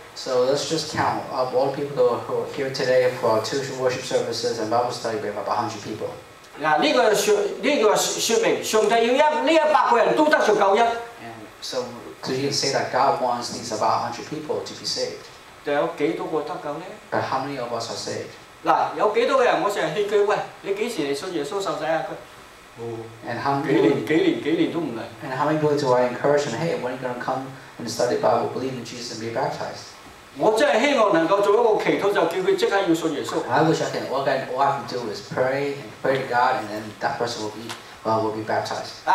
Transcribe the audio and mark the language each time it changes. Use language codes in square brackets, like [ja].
[en] So let's just count up all the people who are here today for our two worship services and Bible study. We have about 100 people. [yue] 嗱，呢个说明，上帝要一100个人都得着救恩。 [en] So you can say that God wants these about 100 people to be saved. [yue] 但有几多个得救呢？ [en] But how many of us are saved? [yue] 嗱，有几多个人？我成日劝佢喂，你几时嚟信耶稣受洗啊？ [en] And how many? [yue] 几年都唔嚟。 [en] And how many people do I encourage them? Hey, when are you going to come and study Bible, believe in Jesus, and be baptized? [yue] 我真係希望能夠做一個祈禱，就叫佢即刻要信耶穌。 [en] I wish I can. All I can do is pray to God, and then that person will be baptized.